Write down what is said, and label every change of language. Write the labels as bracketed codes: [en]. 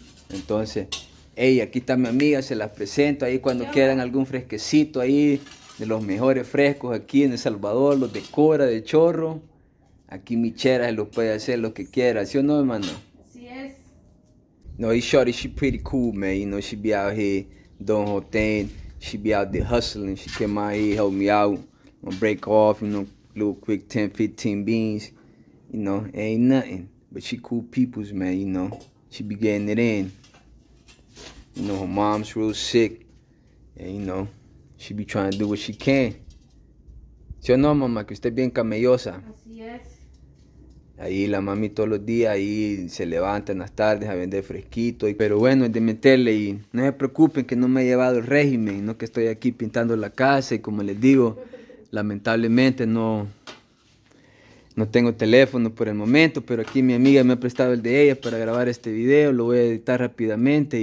[es] Entonces, hey, aquí está mi amiga, se las presento ahí cuando quieran algún fresquecito ahí, de los mejores frescos aquí en El Salvador, los de Cora, de Chorro. Aquí mi chera se los puede hacer lo que quiera, ¿sí o no, hermano? Sí es. [en] No, he shorty, she pretty cool, man. You know, she be out here doing her thing. She be out there hustling. She came out here, help me out. I'm break off, you know. Little quick 10, 15 beans, you know, ain't nothing. But she cool peoples, man, you know. She be getting it in. You know, her mom's real sick. And, you know, she be trying to do what she can. [es] ¿Sí o no, mamá? Que usted es bien camellosa. Así es. Ahí la mami todos los días ahí se levanta en las tardes a vender fresquito. Pero bueno, es de meterle y no se preocupen que no me he llevado el régimen, no que estoy aquí pintando la casa y como les digo. Lamentablemente no tengo teléfono por el momento, pero aquí mi amiga me ha prestado el de ella para grabar este video, lo voy a editar rápidamente.